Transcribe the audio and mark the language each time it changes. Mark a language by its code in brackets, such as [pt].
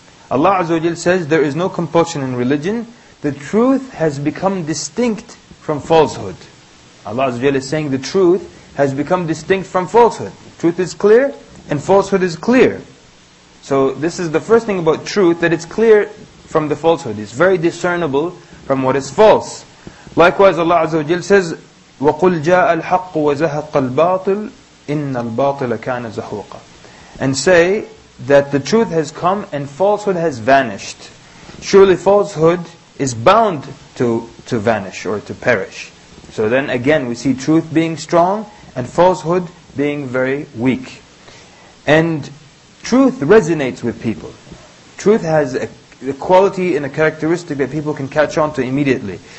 [en] Allah Azza wa Jal says, there is no compulsion in religion. The truth has become distinct from falsehood. Allah Azza wa Jal is saying the truth has become distinct from falsehood. Truth is clear and falsehood is clear. So this is the first thing about truth, that it's clear from the falsehood. It's very discernible from what is false. Likewise, Allah Azza wa Jal says, [ar] وَقُلْ جَاءَ الْحَقُّ وَزَهَقَ الْبَاطِلُ إِنَّ الْبَاطِلَ كَانَ زَهُوقًا. [en] And say that the truth has come and falsehood has vanished. Surely falsehood is bound to vanish or to perish. So then again, we see truth being strong and falsehood being very weak. And truth resonates with people. Truth has a quality and a characteristic that people can catch on to immediately.